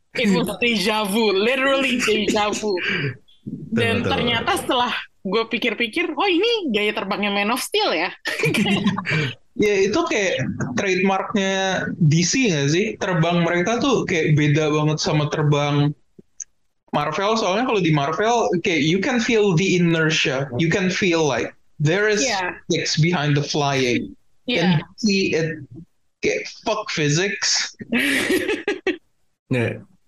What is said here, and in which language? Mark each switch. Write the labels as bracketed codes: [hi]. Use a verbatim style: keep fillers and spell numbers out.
[en] It was deja vu, literally deja vu. [id] Dan ternyata setelah gue pikir-pikir, oh ini gaya terbangnya Man of Steel ya? Ya itu kayak trademarknya D C nggak sih? Terbang mereka tuh kayak beda banget sama terbang Marvel. Soalnya kalau di Marvel, kayak [en] you can feel the inertia, you can feel like there is yeah. sticks behind the flying. Yeah. And see it, kayak fuck physics. Yeah.